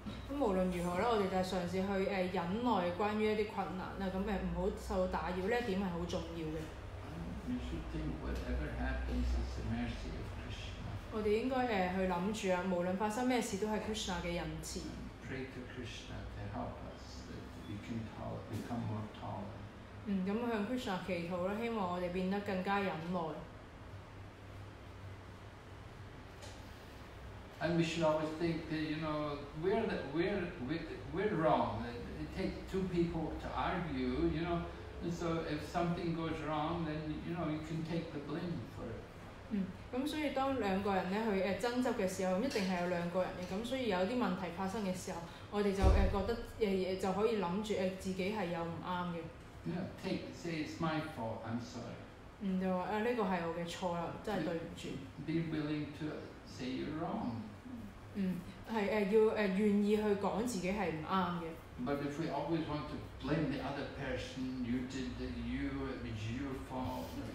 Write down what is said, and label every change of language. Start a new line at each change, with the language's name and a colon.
Chinese: 無論如何，我們就嘗試去忍耐關於一些困難，不要受到打擾，這一點是很重要的。
English: You should think whatever happens is the mercy of Krishna.
Chinese: 我們應該去想著，無論發生什麼事都是Krishna的恩賜。
English: Pray to Krishna to help us, that we can become more tolerant.
Chinese: 向Krishna祈禱，希望我們變得更加忍耐。
English: And we should always think that, you know, we're wrong. It takes two people to argue, you know. And so if something goes wrong, then, you know, you can take the blame for it.
Chinese: 所以當兩個人去爭執的時候，一定是有兩個人的。所以有些問題發生的時候，我們就覺得就可以想著自己是有不對的。
English: Yeah, take, say it's my fault, I'm sorry.
Chinese: 就說這個是我的錯，真的對不起。
English: Be willing to say you're wrong.
Chinese: 要願意去講自己是不對的。
English: But if we always want to blame the other person, you did that, you, it was your fault.